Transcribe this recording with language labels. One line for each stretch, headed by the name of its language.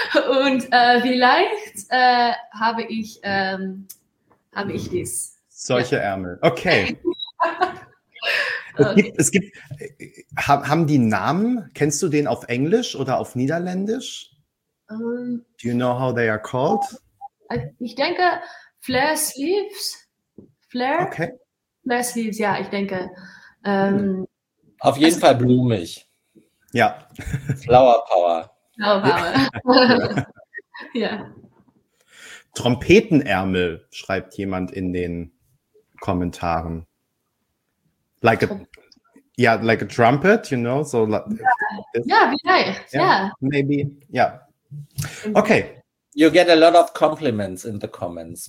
German: Und vielleicht habe ich dies. Solche ja. Ärmel, okay. Es gibt, haben die Namen, kennst du den auf Englisch oder auf Niederländisch?
English: Do you know how they are called?
German: Ich denke Flare Sleeves. Flare? Okay. Flare Sleeves, ja, ich denke. Auf jeden Fall blumig. Ja.
English: Flower Power.
German: Flower Power. Ja. Trompetenärmel, schreibt jemand in den Kommentaren.
English: Like a trumpet, you know, so like this. Yeah,
German: vielleicht,
English: yeah. Maybe, yeah. Okay. You get a lot of compliments in the comments.